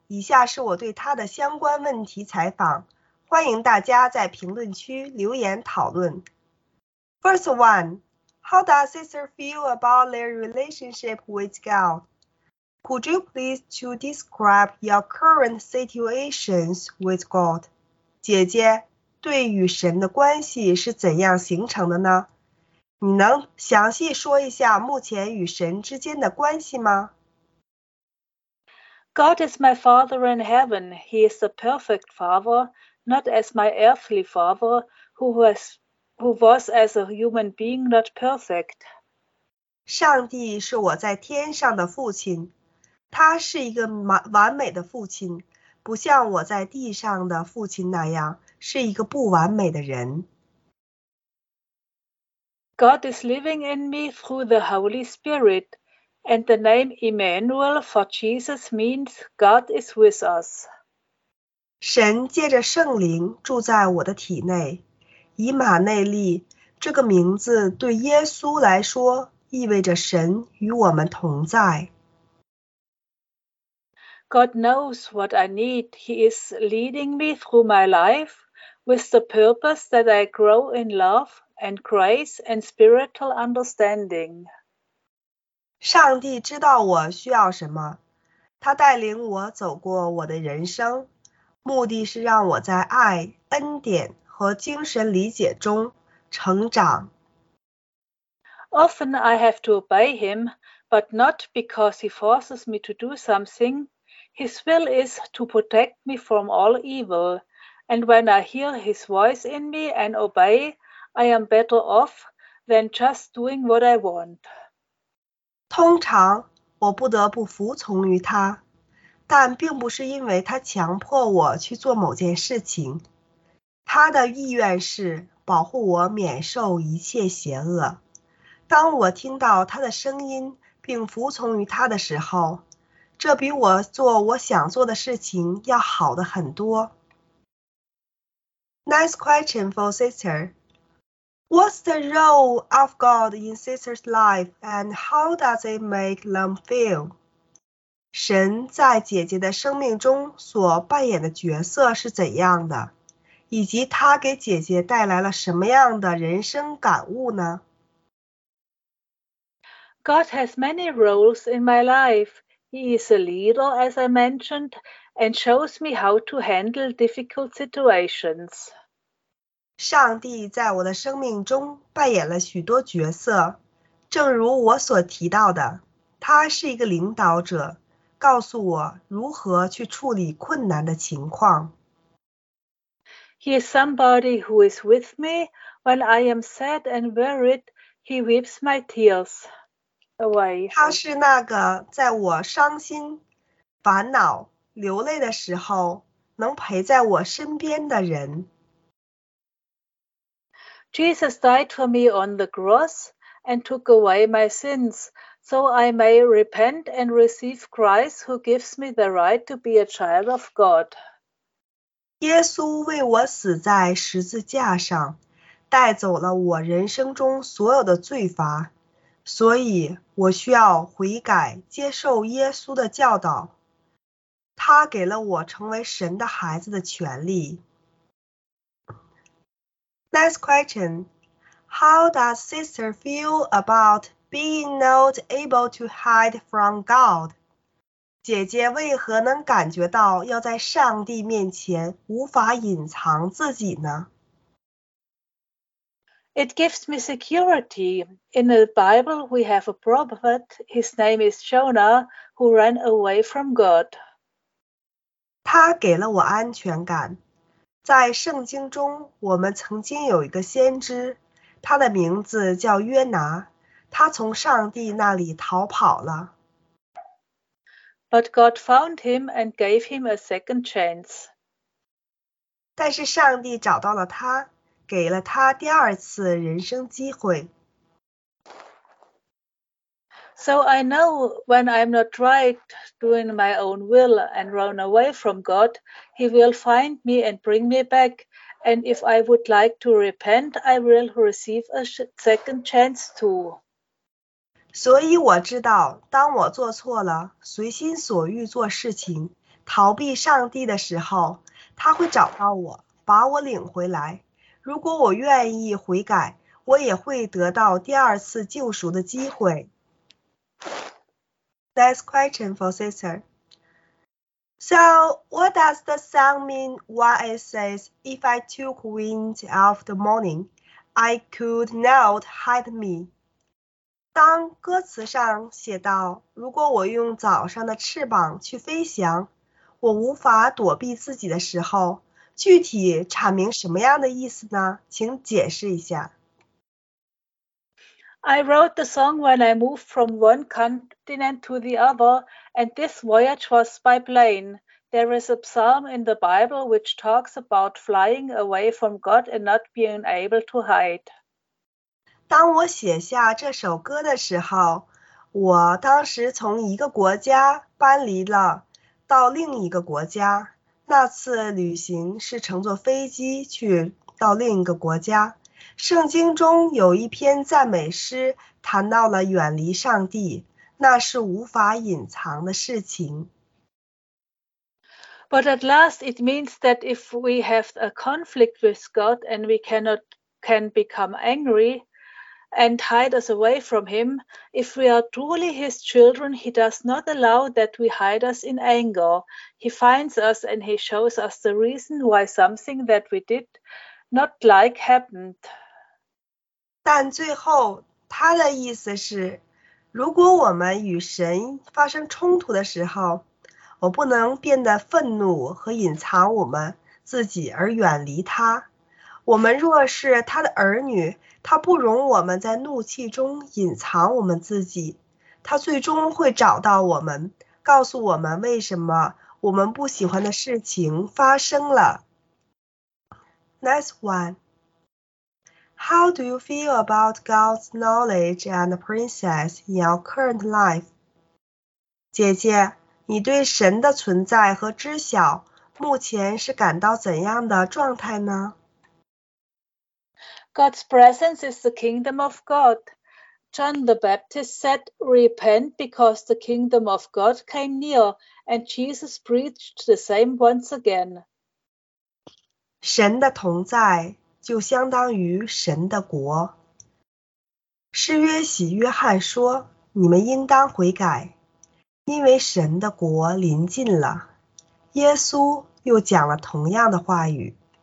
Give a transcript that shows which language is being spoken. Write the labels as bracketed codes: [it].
[zh] 以下是我对他的相关问题采访，欢迎大家在评论区留言讨论。 [en] First one， How does Sister feel about their relationship with God? Could you please to describe your current situations with God? [zh] 姐姐对与神的关系是怎样形成的呢？你能详细说一下目前与神之间的关系吗？ [en] God is my father in heaven. He is the perfect father, not as my earthly father, who was as a human being not perfect. [zh] 上帝是我在天上的父亲，他是一个完美的父亲，不像我在地上的父亲那样是一个不完美的人。 [en] God is living in me through the Holy Spirit, and the name Emmanuel for Jesus means God is with us. [zh] 神借着圣灵住在我的体内，以马内利这个名字对耶稣来说意味着神与我们同在。 [en] God knows what I need. He is leading me through my life with the purpose that I grow in love and grace and spiritual understanding. [zh] 上帝知道我需要什么，他带领我走过我的人生，目的是让我在爱、恩典和精神理解中成长。 [en] Often I have to obey him, but not because he forces me to do something. His will is to protect me from all evil, and when I hear his voice in me and obey, I am better off than just doing what I want. [zh] 通常我不得不服从于他，但并不是因为他强迫我去做某件事情。他的意愿是保护我免受一切邪恶。当我听到他的声音并服从于他的时候，这比我做我想做的事情要好得很多。 [en] Nice question for sister. What's the role of God in sister's life and how does it make them feel? [zh] 神在姐姐的生命中所扮演的角色是怎样的？以及他给姐姐带来了什么样的人生感悟呢？ [en] God has many roles in my life. He is a leader, as I mentioned, and shows me how to handle difficult situations. [zh] 上帝在我的生命中扮演了许多角色，正如我所提到的，他是一个领导者，告诉我如何去处理困难的情况。 [en] He is somebody who is with me when I am sad and worried. He weeps my tears. [zh] 他是那个在我伤心、烦恼、流泪的时候能陪在我身边的人。 [en] Jesus died for me on the cross and took away my sins, so I may repent and receive Christ who gives me the right to be a child of God. [zh] 耶稣为我死在十字架上，带走了我人生中所有的罪罚，所以我需要悔改，接受耶稣的教导。他给了我成为神的孩子的权利。 [en] Next question. How does sister feel about being not able to hide from God? [zh] 姐姐为何能感觉到要在上帝面前无法隐藏自己呢？ [en] It gives me security. In the Bible, we have a prophet. His name is Jonah, who ran away from God. [zh] 他给了我安全感。在圣经中，我们曾经有一个先知，他的名字叫约拿，他从上帝那里逃跑了。 [en] But God found him and gave him a second chance. [zh] 但是上帝找到了他，给了他第二次人生机会。 [en] So I know when I'm not right doing my own will and run away from God, He will find me and bring me back. And if I would like to repent, I will receive a second chance too. [zh] 所以我知道，当我做错了，随心所欲做事情，逃避上帝的时候，他会找到我，把我领回来。如果我愿意悔改，我也会得到第二次救赎的机会。 [en] Next question for sister. So, what does the song mean when it says, if I took wings of the morning, I could not hide me? [zh] 当歌词上写到，如果我用早上的翅膀去飞翔，我无法躲避自己的时候，具体阐明什么样的意思呢？请解释一下。 [en] I wrote the song when I moved from one continent to the other, and this voyage was by plane. There is a psalm in the Bible which talks about flying away from God and not being able to hide. [zh] 当我写下这首歌的时候，我当时从一个国家搬离了到另一个国家。那次旅行是乘坐飞机去到另一个国家。圣经中有一篇赞美诗谈到了远离上帝，那是无法隐藏的事情。 [en] But at last it means that if we have a conflict with God and we can become angry and hide us away from him, if we are truly his children, he does not allow that we hide us in anger. He finds us and he shows us the reason why something that we did not like happened. [zh] 但最后他的意思是，如果我们与神发生冲突的时候，我不能变得愤怒和隐藏我们自己而远离他。我们若是他的儿女，他不容我们在怒气中隐藏我们自己。他最终会找到我们，告诉我们为什么我们不喜欢的事情发生了。 [en] Next one. How do you feel about God's knowledge and princess in your current life? [zh] 姐姐，你对神的存在和知晓目前是感到怎样的状态呢？ [en] God's presence is the kingdom of God. John the Baptist said, repent because the kingdom of God came near, and Jesus preached the same once again. [zh] 神的同在就相当于神的国。诗约洗约翰说，你们应当悔改，因为神的国临近了。耶稣又讲了同样的话语。